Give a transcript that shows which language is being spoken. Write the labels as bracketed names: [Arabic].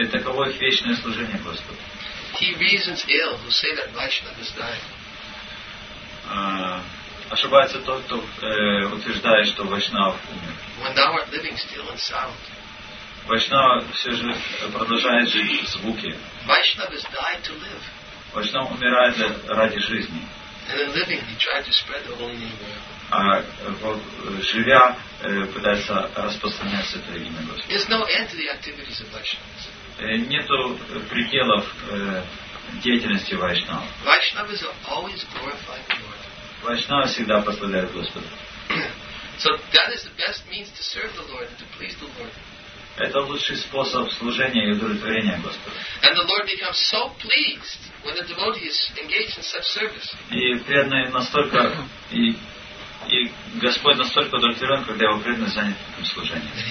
[Russian] И таково их вечное служение Господу. [English] He reasons ill who say that Vaishnava is dying. [Russian] Ошибается тот, кто утверждает, что Вайшнав умер. [English] When thou art living still and sound. [Russian] Вайшнава все же продолжает жить в звуке. [English] Vaishnava is dying to live. [Russian] Вайшнава умирает ради жизни. [English] And in living, he tried to spread the holy name of God. [Russian] А вот, живя, пытается распространять святое имя Господа. Нету пределов деятельности Вайшнава. [English] Vaishnava is always glorified the Lord. [Russian] Вайшнава всегда прославляет Господа. [English] So that is the best means to serve the Lord and to please the Lord. [Russian] Это лучший способ служения и удовлетворения Господа. [English] And the Lord becomes so pleased when the devotee is engaged in such service. [Russian] И преданный настолько и Господь настолько удовлетворен, когда его преданный занят этим служением.